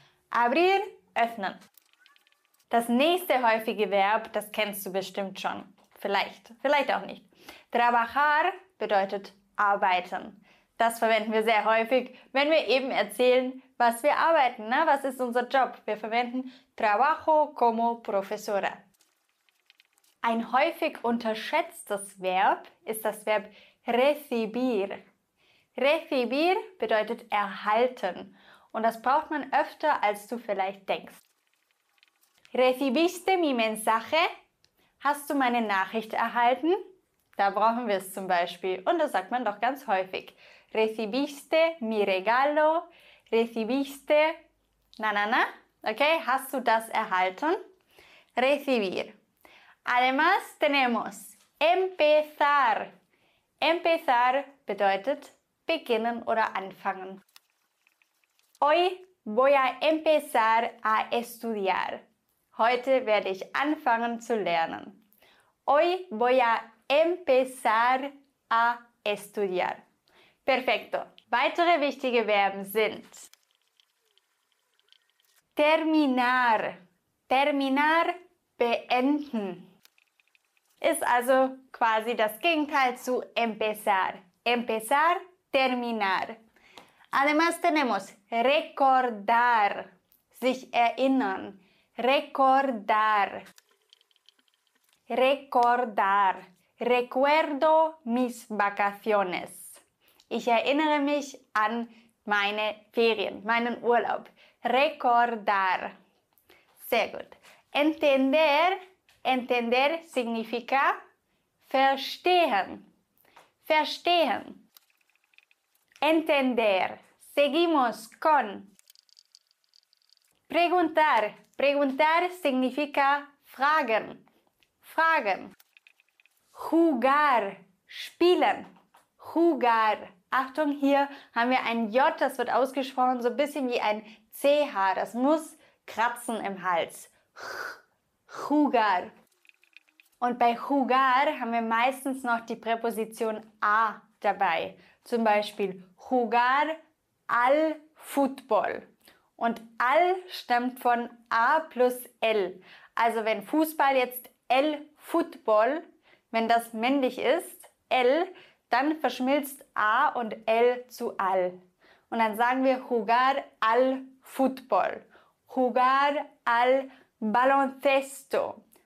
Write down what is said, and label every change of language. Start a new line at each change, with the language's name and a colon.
German: Abrir, öffnen. Das nächste häufige Verb, das kennst du bestimmt schon. Vielleicht, vielleicht auch nicht. Trabajar bedeutet arbeiten. Das verwenden wir sehr häufig, wenn wir eben erzählen, was wir arbeiten. Na, was ist unser Job? Wir verwenden
Spanish: trabajo como profesora.
German: Ein häufig unterschätztes Verb ist das Verb recibir. Recibir bedeutet erhalten. Und das braucht man öfter, als du vielleicht denkst.
Spanish: Recibiste mi mensaje?
German: Hast du meine Nachricht erhalten? Da brauchen wir es zum Beispiel. Und das sagt man doch ganz häufig.
Spanish: Recibiste mi regalo?
German: Recibiste? Na, na, na. Okay, hast du das erhalten?
Spanish: Recibir. Además tenemos empezar.
German: Empezar bedeutet beginnen oder anfangen.
Spanish: Hoy voy a empezar a estudiar.
German: Heute werde ich anfangen zu lernen.
Spanish: Hoy voy a empezar a estudiar. Perfecto.
German: Weitere wichtige Verben sind terminar. Terminar, beenden. Ist also quasi das Gegenteil zu empezar.
Spanish: Empezar, terminar. Además tenemos recordar. Sich erinnern. Recordar. Recordar. Recuerdo mis vacaciones.
German: Ich erinnere mich an meine Ferien, meinen Urlaub.
Spanish: Recordar.
German: Sehr gut.
Spanish: Entender. Entender significa verstehen. Verstehen. Entender. Seguimos con. Preguntar. Preguntar significa fragen. Fragen. Jugar. Spielen. Jugar.
German: Achtung, hier haben wir ein J, das wird ausgesprochen so ein bisschen wie ein CH. Das muss kratzen im Hals. Jugar. Und bei jugar haben wir meistens noch die Präposition a dabei. Zum Beispiel
Spanish: jugar al fútbol.
German: Und al stammt von a plus l. Also wenn Fußball jetzt el fútbol, wenn das männlich ist, l, dann verschmilzt a und l zu al. Und dann sagen wir
Spanish: jugar al fútbol. Jugar al baloncesto.